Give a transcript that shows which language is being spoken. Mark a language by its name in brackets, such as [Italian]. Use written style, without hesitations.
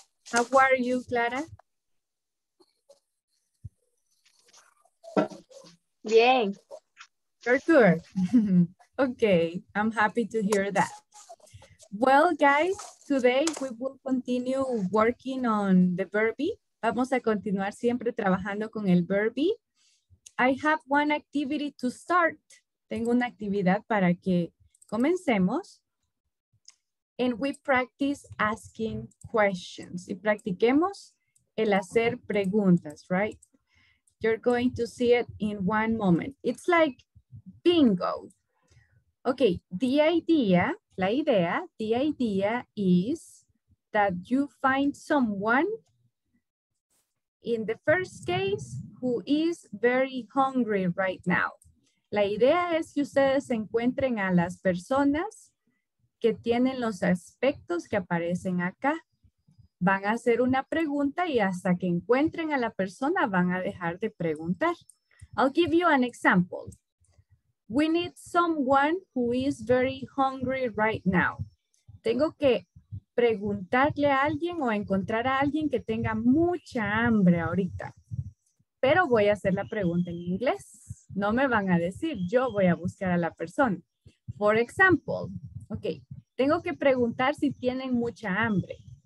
[English] How are you, Clara? [Spanish] Bien. [English] For sure. Okay, I'm happy to hear that. Well, guys, today we will continue working on the verbi. [Spanish] Vamos a continuar siempre trabajando con el verbi. [English] I have one activity to start. [Spanish] Tengo una actividad para que comencemos. [English] And we practice asking questions. [Spanish] Y practiquemos el hacer preguntas, [English] right? You're going to see it in one moment. It's like bingo. Okay, the idea is that you find someone in the first case who is very hungry right now. [Spanish] La idea es que ustedes encuentren a las personas que tienen los aspectos que aparecen acá. Van a hacer una pregunta y hasta que encuentren a la persona van a dejar de preguntar. [English] I'll give you an example. We need someone who is very hungry right now. [Spanish] Tengo que preguntarle a alguien o encontrar a alguien que tenga mucha hambre ahorita. Pero voy a hacer la pregunta en inglés. No me van a decir, yo voy a buscar a la persona. [English] For example, okay. [Spanish] Tengo que preguntar si tienen mucha hambre.